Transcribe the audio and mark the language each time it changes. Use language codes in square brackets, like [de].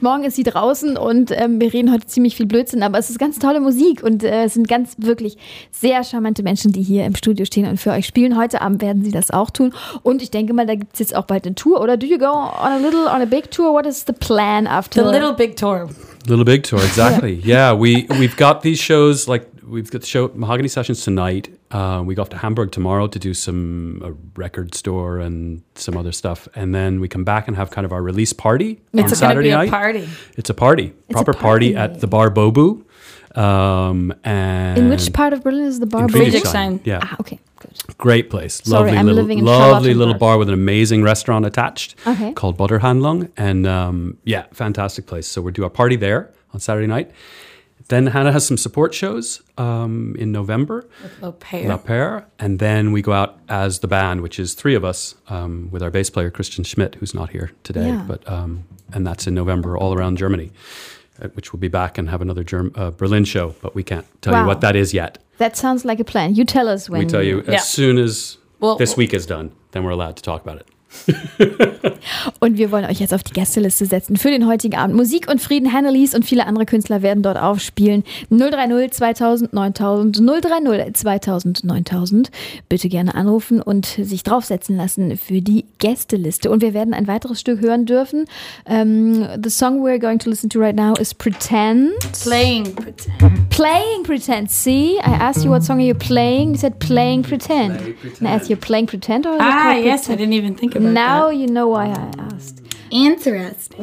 [de] Morgen ist sie draußen und wir reden heute ziemlich viel Blödsinn, aber es ist ganz tolle Musik und es sind ganz wirklich sehr charmante Menschen, die hier im Studio stehen und für euch spielen. Heute Abend werden sie das auch tun und ich denke mal, da gibt es jetzt auch bald eine Tour, oder? [en] Do you go on a little, on a big tour? What is the plan after? The little big tour. Little big tour, exactly. Yeah, we've got these shows, like we've got the show Mahogany Sessions tonight. We go off to Hamburg tomorrow to do a record store and some other stuff. And then we come back and have kind of our release party it's on Saturday night. It's a party. It's a party. It's proper a party. Party at the Bar Bobo. And in which part of Berlin is the Bar Bobo? Friedrichshain. Yeah. Ah, okay, good. Great place. Sorry, lovely I'm little, living in lovely little bar with an amazing restaurant attached okay. called Butterhandlung. And yeah, fantastic place. So we do our party there on Saturday night. Then Hannah has some support shows in November. With Au Pair. And then we go out as the band, which is 3 of us, with our bass player, Christian Schmidt, who's not here today. Yeah. But and that's in November all around Germany, which we'll be back and have another Berlin show. But we can't tell you what that is yet. That sounds like a plan. You tell us when. We tell you as soon as this week is done, then we're allowed to talk about it. [de] Und wir wollen euch jetzt auf die Gästeliste setzen für den heutigen Abend. Musik und Frieden, Hannah Lees und viele andere Künstler werden dort aufspielen. 030 2000 9000, 030 2000 9000. Bitte gerne anrufen und sich draufsetzen lassen für die Gästeliste. Und wir werden ein weiteres Stück hören dürfen. [en] The song we're going to listen to right now is Pretend. Playing Pretend. Playing Pretend. See, I asked you what song are you playing. You said Playing Pretend. Play pretend. I asked you Playing Pretend. Or yes, I didn't even think about now that. You know why I asked. Interesting.